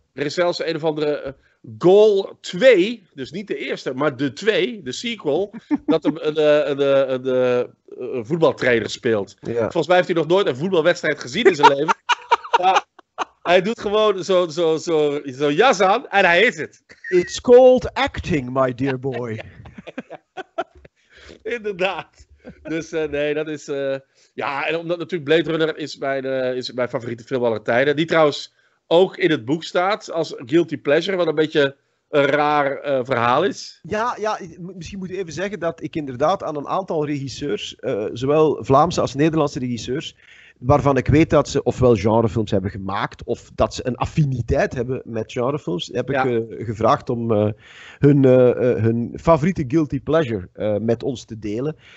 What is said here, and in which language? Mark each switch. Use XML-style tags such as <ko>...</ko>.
<nl>Er is zelfs een of andere Goal 2, dus niet de eerste, maar de 2, de sequel, dat een voetbaltrainer speelt. Ja. Volgens mij heeft hij nog nooit een voetbalwedstrijd gezien in zijn leven. Hij doet gewoon zo jas aan en hij is het.</nl> <en>It's called acting, my dear boy.</en> <nl>Inderdaad. Dus dat is... en omdat natuurlijk Blade Runner is mijn favoriete film aller tijden. Die trouwens ook in het boek staat als guilty pleasure, wat een beetje een raar verhaal is. Ja, misschien moet ik even zeggen dat ik inderdaad aan een aantal regisseurs, zowel Vlaamse als Nederlandse regisseurs, waarvan ik weet dat ze ofwel genrefilms hebben gemaakt, of dat ze een affiniteit hebben met genrefilms, heb ik gevraagd om hun favoriete guilty pleasure met ons te delen.</nl>